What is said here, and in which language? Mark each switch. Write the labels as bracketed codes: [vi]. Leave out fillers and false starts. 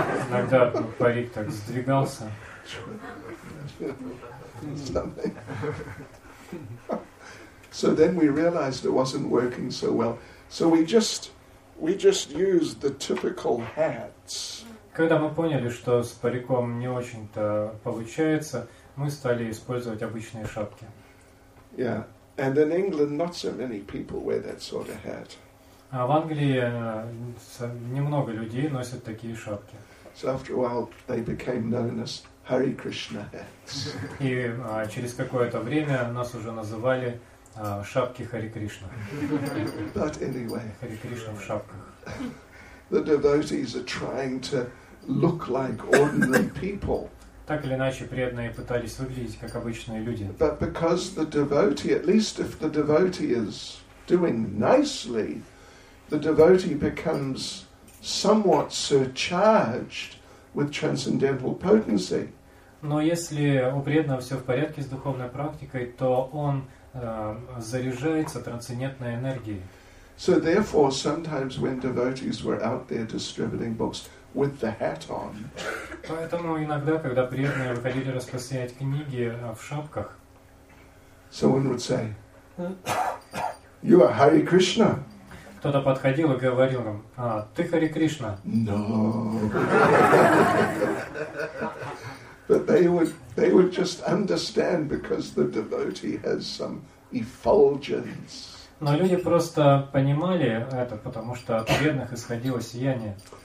[ru] Иногда парик так сдвигался. [en] So then we realized it wasn't working so well. So we just used the typical hats. [ru] Когда мы поняли, что с париком не очень-то получается, мы стали использовать обычные шапки. [en] Yeah. And in England not so many people wear that sort of hat. [ru] А в Англии немного людей носят такие шапки. [en] So after a while they became known as Hare Krishna hats. [ru] И через какое-то время нас уже называли шапки Хари Кришна. [en] But anyway, [ru] Хари Кришна в шапках. [en] The devotees are trying to look like ordinary people. [ru] Так или иначе, преданные пытались выглядеть как обычные люди. [en] But because the devotee, at least if the devotee is doing nicely, the devotee becomes somewhat surcharged with transcendental potency. [ru] Но если у преданного все в порядке с духовной практикой, то он заряжается трансцендентной энергией. [en] So therefore, sometimes when devotees were out there distributing books with the hat on. [ru] Поэтому иногда, когда преданные выходили распространять книги в шапках, [en] someone would say, "You are Hare Krishna." [ru] Кто-то подходил и говорил им, "Ты Хари Кришна." [en] No. But they would just understand because the devotee has some effulgence. [ru] Но люди просто понимали это, потому что от бедных исходило сияние.